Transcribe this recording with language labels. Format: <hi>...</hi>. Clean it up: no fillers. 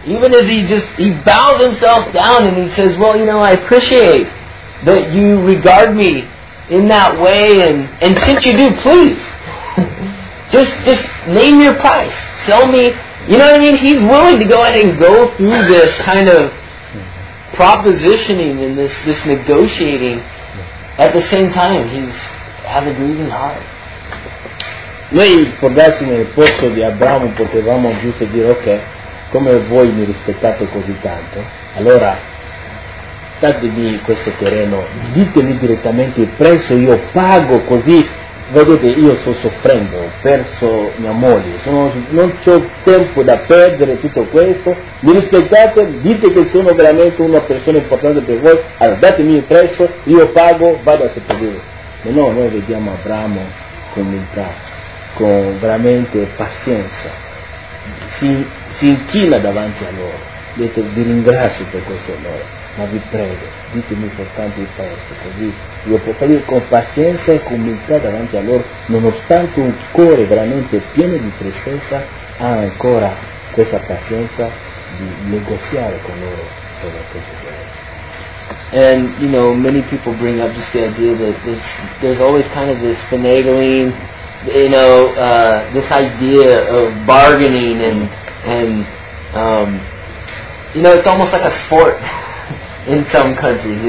<en>Even as he bows himself down and he says, well, you know, I appreciate that you regard me in that way, and since you do, please, just name your price. Sell me, you know what I mean? He's willing to go ahead and go through this kind of propositioning and this negotiating. At the same time, he's has a grieving heart.</en> <it>Noi, ricordarsi nel posto di Abramo, potevamo giusto dire, ok, come voi mi rispettate così tanto, allora datemi questo terreno, ditemi direttamente il prezzo, io pago, così vedete, io sto soffrendo, ho perso mia moglie, non ho tempo da perdere, tutto questo, mi rispettate, dite che sono veramente una persona importante per voi, allora datemi il prezzo, io pago, vado a sopravvivere. Ma no, noi vediamo Abramo con umiltà, con veramente pazienza, si inchina davanti a loro, detto vi ringrazio per questo onore, ma vi prego, ditemi soltanto il prezzo, così io posso dire con pazienza e con umiltà davanti a loro, nonostante un cuore veramente pieno di tristezza, ha ancora questa pazienza di negoziare con loro per la cosa.</it> <en>And you know, many people bring up just the idea that there's always kind of this finagling, you know, this idea of bargaining and you know, it's almost like a sport in some countries.</en>